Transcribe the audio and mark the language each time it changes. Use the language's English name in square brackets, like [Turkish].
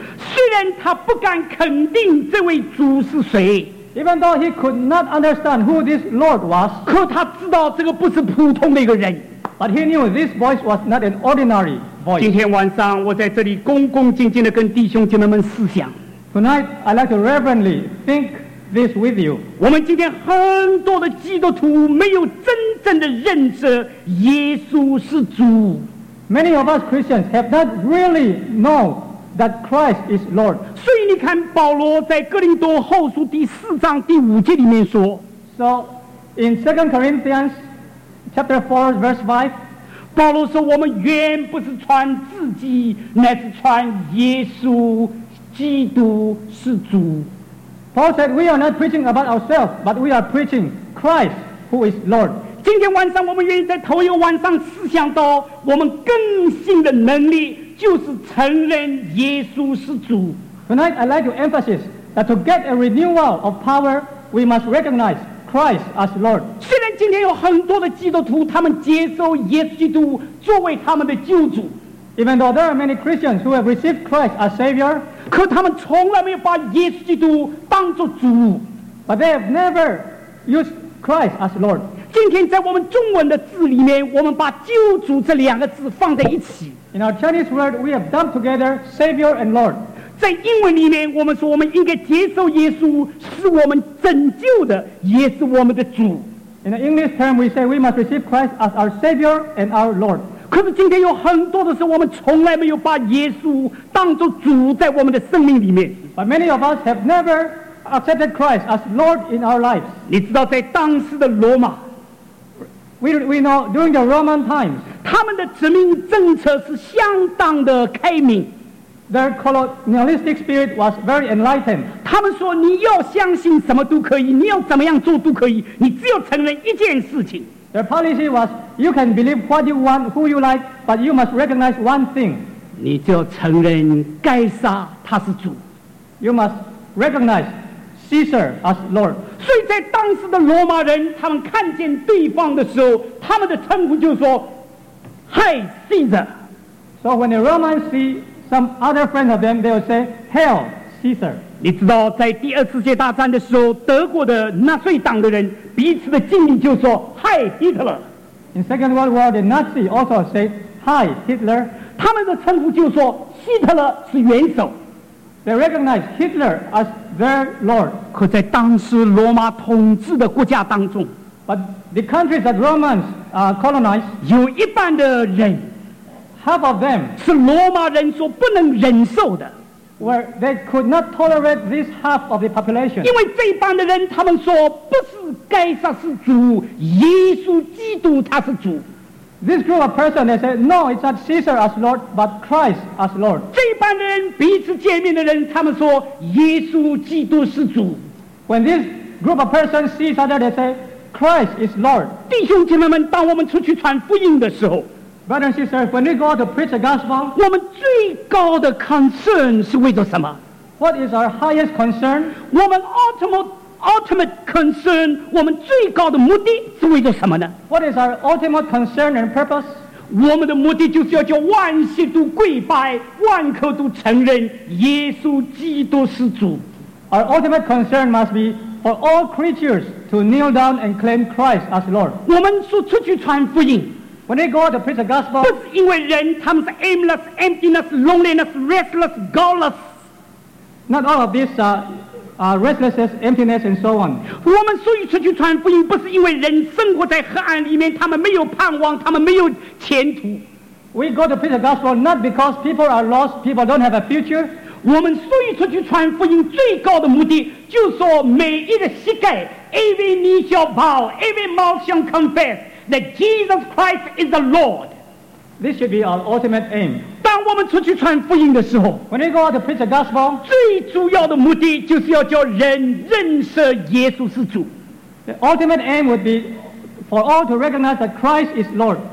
[Chinese] 虽然他不敢肯定这位主是谁， [English] Even though he could not understand who this Lord was, [Chinese] 可他知道这个不是普通的一个人。 [English] But he knew this voice was not an ordinary voice. [Chinese] 今天晚上我在这里恭恭敬敬地跟弟兄姐妹们思想。 [English] Tonight, I'd like to reverently think this with you. [Chinese] 我们今天很多的基督徒没有真正的认识耶稣是主。 [English] Many of us Christians have not really known that Christ is Lord. [Chinese] 所以你看保罗在哥林多后书第四章第五节里面说， [English] So in 2 Corinthians chapter 4 verse 5, [Chinese] 保罗说我们原不是传自己，乃是传耶稣基督是主。 [English] Paul said we are not preaching about ourselves, but we are preaching Christ who is Lord. [Chinese] 今天晚上我们愿意在头一个晚上思想到我们更新的能力就是承认耶稣是主。 [English] Tonight I'd like to emphasize that to get a renewal of power we must recognize Christ as Lord. [Chinese] 虽然今天有很多的基督徒他们接受耶稣基督作为他们的救主， [English] Even though there are many Christians who have received Christ as Savior, [Chinese] 可他们从来没有把耶稣基督当作主， [English] But they have never used Christ as Lord. [Chinese] 今天在我们中文的字里面我们把救主这两个字放在一起。 [English] In our Chinese word, we have dumped together Savior and Lord. [Chinese] 在英文里面，我们说我们应该接受耶稣，是我们拯救的，也是我们的主。 [English] In the English term, we say we must receive Christ as our Savior and our Lord. [Chinese] 可是今天有很多的时候，我们从来没有把耶稣当作主在我们的生命里面。 [English] But many of us have never accepted Christ as Lord in our lives. [Chinese] 你知道在当时的罗马， [English] we know during the Roman times. [Chinese] 他们的殖民政策是相当的开明。 [English] Their colonialistic spirit was very enlightened. [Chinese] 他们说你要相信什么都可以，你要怎么样做都可以，你只要承认一件事情。 [English] Their policy was, you can believe what you want, who you like, but you must recognize one thing. [Chinese] 你就承认该杀他是主。 [English] You must recognize Caesar as Lord. [Chinese] 所以在当时的罗马人，他们看见对方的时候，他们的称呼就是说 [English] Hi, Caesar. So when the Romans see some other friend of them, they will say, "Hail, Caesar." [Chinese] 你知道，在第二次世界大战的时候，德国的纳粹党的人彼此的敬礼就说 [English] "Hi, Hitler." In Second World War, the Nazi also say, "Hi, Hitler." [Chinese] 他们的称呼就说希特勒是元首。 [English] They recognize Hitler as their lord. [Chinese] 可在当时罗马统治的国家当中。 [English] But the countries that Romans colonized, [Chinese] 有一半的人， [English] half of them, [Chinese] 是罗马人所不能忍受的， [English] where they could not tolerate this half of the population. [Chinese] 因为这一半的人，他们说不是该杀是主，耶稣基督他是主。 [English] This group of person, they said, no, it's not Caesar as Lord, but Christ as Lord. [Chinese] 这一半的人彼此见面的人，他们说耶稣基督是主。 [English] When this group of person sees each other, they say. Christ is Lord. [Chinese] 弟兄姐妹们，当我们出去传福音的时候， [English] Brothers and sisters, when we go out to preach the gospel, [Chinese] 我们最高的 concern 是为着什么？ [English] What is our highest concern? [Chinese] 我们 [English] ultimate concern, [Chinese] 我们最高的目的是为着什么呢？ [English] What is our ultimate concern and purpose? [Chinese] 我们的目的就是要叫万事都跪拜，万口都承认耶稣基督是主。 [English] Our ultimate concern must be for all creatures to kneel down and claim Christ as Lord. [Chinese] 我们说出去传福音， [English] When they go out to preach the gospel, [Chinese] 不是因为人他们是 [English] aimless, emptiness, loneliness, restless, godless. Not all of these are restlessness, emptiness, and so on. [Chinese] 我们所以出去传福音，不是因为人生活在黑暗里面，他们没有盼望，他们没有前途。 [English] We go to preach the gospel not because people are lost, people don't have a future. [Chinese] 我们所以出去传福音最高的目的，就是说每一个膝盖 ， [English] every knee shall bow, every mouth shall confess. That Jesus Christ is the Lord. This should be our ultimate aim. [Chinese] 当我们出去传福音的时候 [English] ，When we go out to preach the gospel, [Chinese] 最主要的目的就是要叫人认识耶稣是主。 [English] The ultimate aim would be for all to recognize that Christ is Lord.